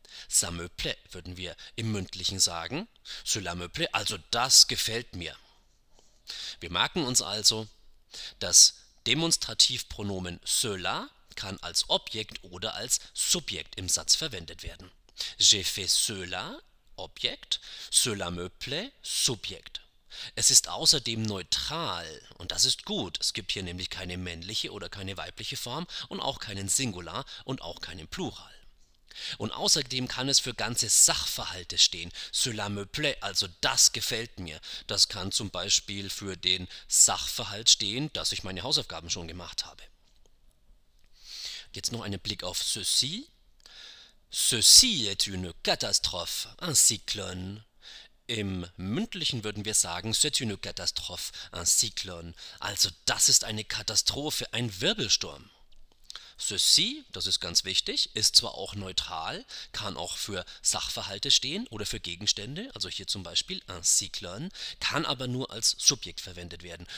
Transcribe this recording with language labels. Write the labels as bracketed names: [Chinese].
[French] Ça me plaît [German] würden wir im Mündlichen sagen. [French] Cela me plaît, [German] also das gefällt mir. Wir merken uns also, das Demonstrativpronomen cela kann als Objekt oder als Subjekt im Satz verwendet werden. [French] J'ai fait cela, Objekt, cela me plaît, Subjekt. [German] Es ist außerdem neutral und das ist gut. Es gibt hier nämlich keine männliche oder keine weibliche Form und auch keinen Singular und auch keinen Plural. Und außerdem kann es für ganze Sachverhalte stehen. [French] Cela me plaît, [German] also das gefällt mir. Das kann zum Beispiel für den Sachverhalt stehen, dass ich meine Hausaufgaben schon gemacht habe. Jetzt noch einen Blick auf ceci. [French] Ceci est une catastrophe, un cyclone. [German] Im Mündlichen würden wir sagen, [French] c'est une catastrophe, un cyclone. [German] Also das ist eine Katastrophe, ein Wirbelsturm. Ceci, das ist ganz wichtig, ist zwar auch neutral, kann auch für Sachverhalte stehen oder für Gegenstände, also hier zum Beispiel un cyclone, kann aber nur als Subjekt verwendet werden.